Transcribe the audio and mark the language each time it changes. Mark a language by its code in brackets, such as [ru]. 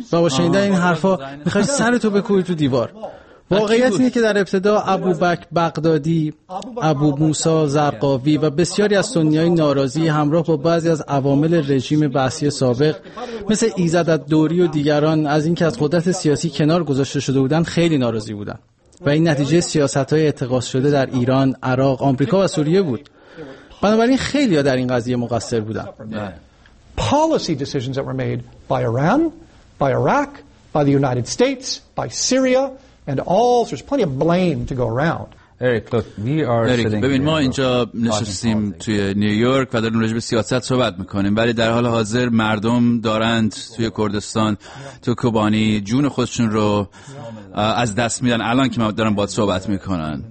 [fa] بابا شنیدن این حرفا میخوای سرتو بکوبی تو دیوار. واقعیت اینه که در ابتدا ابوبکر بغدادی، ابو موسی زرقاوی و بسیاری از سنی‌های ناراضی همراه با بعضی از عوامل رژیم بعثی سابق مثل ایزد الدوری و دیگران از اینکه از قدرت سیاسی کنار گذاشته شده بودند خیلی ناراضی بودند و این نتیجه سیاست‌های اعتقاض شده در ایران، عراق، آمریکا و سوریه بود. بنابراین خیلی ها در این قضیه مقصر بودند. [en] Policy decisions that were made by Iran, by Iraq, by the United States, by Syria and all, there's plenty of blame to go around. Eric, look, we are Eric, sitting [fa] ببین ما اینجا نشستیم توی نیویورک و در نورج به سیاست صحبت میکنیم، ولی در حال حاضر مردم دارند توی کردستان، توی کوبانی جون خودشون رو از دست میدن الان که من دارم باهات صحبت میکنن.